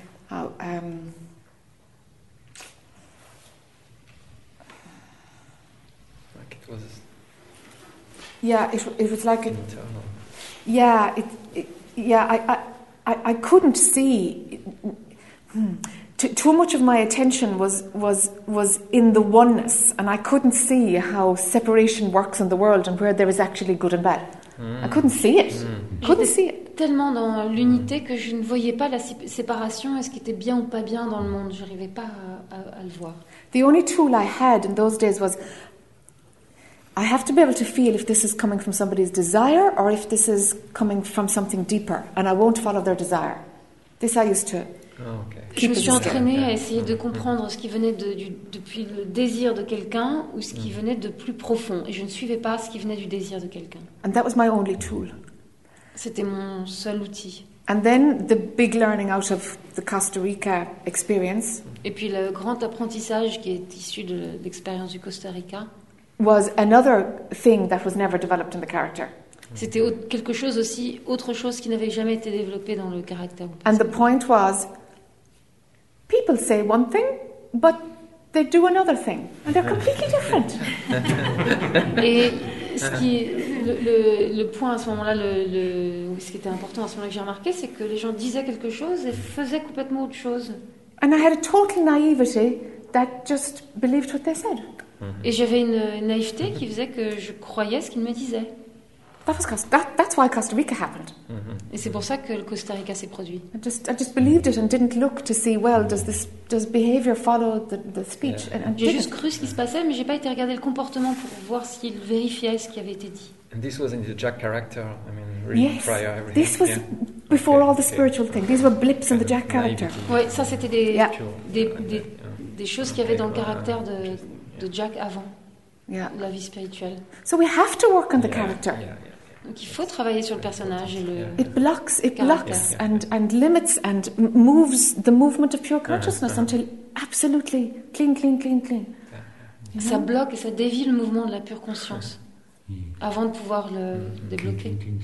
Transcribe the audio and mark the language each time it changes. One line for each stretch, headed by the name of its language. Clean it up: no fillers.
English: I couldn't see too much of my attention was in the oneness, and I couldn't see how separation works in the world and where there is actually good and bad. I couldn't see it. Couldn't see it.
French: Tellement dans l'unité que je ne voyais pas la séparation, est-ce qui était bien ou pas bien dans le monde, je n'arrivais pas à le voir.
English: The only tool I had in those days was I have to be able to feel if this is coming from somebody's desire or if this is coming from something deeper, and I won't follow their desire. This I used to. Oh, okay.
French: Je me suis entraînée à essayer de comprendre ce qui venait de, du, depuis le désir de quelqu'un ou ce qui venait de plus profond, et je ne suivais pas ce qui venait du désir de quelqu'un.
English: And that was my only tool.
French: C'était mon seul outil.
English: And then the big learning out of the Costa Rica experience.
French: Et puis le grand apprentissage qui est issu de l'expérience du Costa Rica.
English: Was another thing that was never developed in the character.
French: C'était quelque chose aussi, autre chose qui n'avait jamais été développé dans le caractère.
English: And the point was, people say one thing, but they do another thing, and they're completely different.
French: Et ce qui, le point à ce moment-là, ce qui était important à ce moment-là que j'ai remarqué, c'est que les gens disaient quelque chose et faisaient complètement autre chose.
English: And I had a total naivety that just believed what they said.
French: Et j'avais une naïveté qui faisait que je croyais ce qu'ils me disaient.
English: That's why Costa Rica happened.
French: Et c'est pour ça que le Costa Rica s'est produit.
English: I just believed it and didn't look to see, well, does behavior follow the speech? Yeah. And
French: j'ai juste cru ce qui se passait, mais j'ai pas été regarder le comportement pour voir s'il vérifiait ce qui avait été dit.
English: And this was in the Jack character. I mean, really yes. Prior everything. This was yeah. Before okay. All the spiritual okay. Things. These were blips kind in the Jack character.
French: Ouais, ça c'était des choses qu'il y avait dans le caractère de Jack avant.
English: Yeah.
French: La vie spirituelle.
English: So we have to work on the character.
French: Donc il faut travailler sur le personnage et le
English: It blocks and limits and moves the movement of pure consciousness until absolutely clean.
French: Ça bloque et ça dévie le mouvement de la pure conscience avant de pouvoir le débloquer.